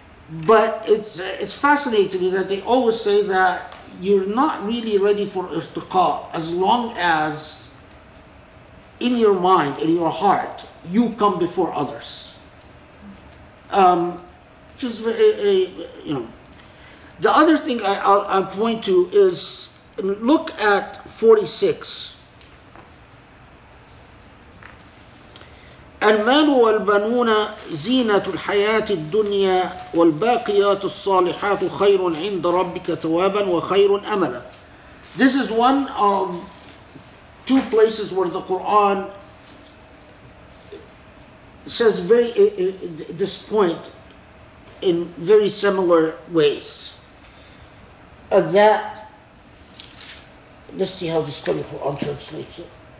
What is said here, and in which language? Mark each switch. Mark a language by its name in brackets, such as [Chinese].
[English] But it's fascinating to me that they always say that you're not really ready for irtiqa as long as in your mind, in your heart, you come before others. Just the other thing I'll point to is, look at 46. [Arabic] المال والبنون زينة الحياة الدنيا والباقيات الصالحات خير عند ربك ثوابا وخير أملا. [English] This is one of two places where the Quran says very this point in very similar ways. Of that, let's see how this study Quran translates it.